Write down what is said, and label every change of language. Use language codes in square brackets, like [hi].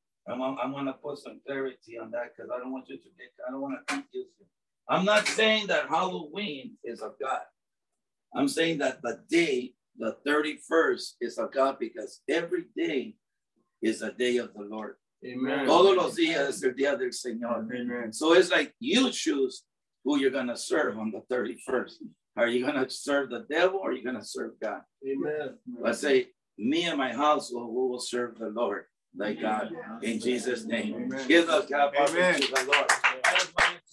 [en] I'm gonna put some clarity on that because I don't want you to get, I don't want to confuse you. I'm not saying that Halloween is of God. I'm saying that the day, the 31st, is of God because every day is a day of the Lord. Amen. [es] Todos los días es el día del Señor. [en] Amen. So it's like you choose who you're gonna serve on the 31st. Are you gonna serve the devil or are you gonna serve God? Amen. I say, me and my house, well, we will serve the Lord. Thank God, in Jesus' name. Amen. Give us God, amen. To the Lord.